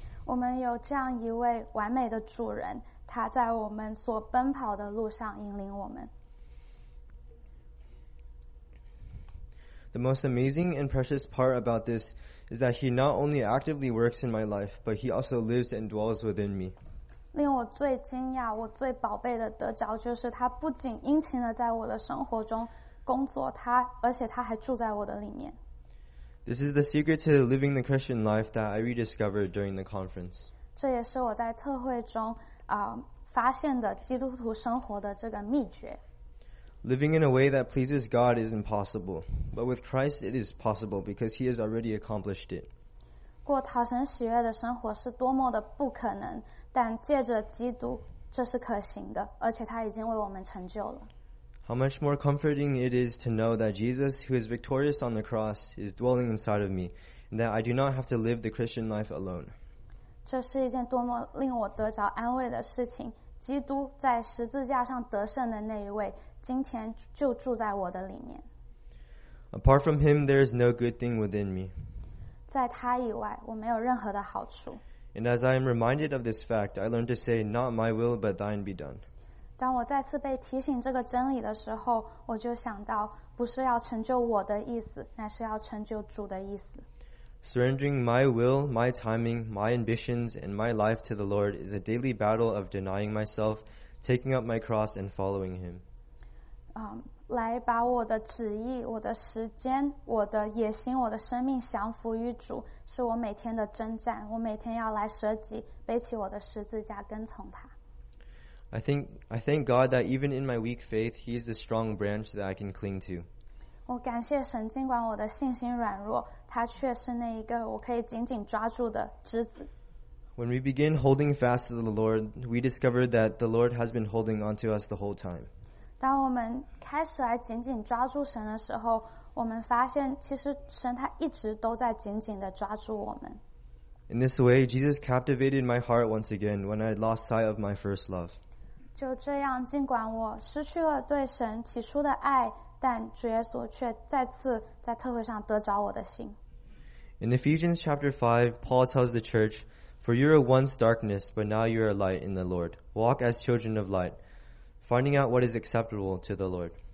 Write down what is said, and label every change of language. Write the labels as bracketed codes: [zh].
[zh] 我们有这样一位完美的主人，他在我们所奔跑的路上引领我们。 [en] The most amazing and precious part about this is that he not only actively works in my life, but he also lives and dwells within me. [zh] 令我最惊讶，我最宝贝的得着就是他不仅殷勤地在我的生活中工作，他而且他还住在我的里面。 [en] This is the secret to living the Christian life that I rediscovered during the conference. [zh] 这也是我在特会中发现的基督徒生活的这个秘诀。 [en] Living in a way that pleases God is impossible, but with Christ it is possible because He has already accomplished it. [zh] 过讨神喜悦的生活是多么的不可能，但借着基督这是可行的，而且他已经为我们成就了。 [en] How much more comforting it is to know that Jesus, who is victorious on the cross, is dwelling inside of me, and that I do not have to live the Christian life alone. [zh] 这是一件多么令我得着安慰的事情！基督在十字架上得胜的那一位，今天就住在我的里面。 [en] Apart from him, there is no good thing within me. [zh] 在他以外，我没有任何的好处。 [en] And as I am reminded of this fact, I learn to say, "Not my will, but thine be done." [zh] 当我再次被提醒这个真理的时候，我就想到，不是要成就我的意思，乃是要成就主的意思。 [en] Surrendering my will, my timing, my ambitions, and my life to the Lord is a daily battle of denying myself, taking up my cross, and following Him. [zh] 来把我的旨意、我的时间、我的野心、我的生命降服于主，是我每天的征战。我每天要来舍己，背起我的十字架，跟从他。 [en] I thank God that even in my weak faith, He is the strong branch that I can cling to. [zh] 我感谢神，尽管我的信心软弱，他却是那一个我可以紧紧抓住的枝子。 [en] When we begin holding fast to the Lord, we discover that the Lord has been holding onto us the whole time. [zh] 当我们开始来紧紧抓住神的时候，我们发现其实神他一直都在紧紧地抓住我们。 [en] In this way, Jesus captivated my heart once again when I lost sight of my first love. [zh] 就这样，尽管我失去了对神起初的爱，但主耶稣却再次在特会上得着我的心。 [en] In Ephesians chapter 5, Paul tells the church, "For you were once darkness, but now you are light in the Lord. Walk as children of light, finding out what is acceptable to the Lord."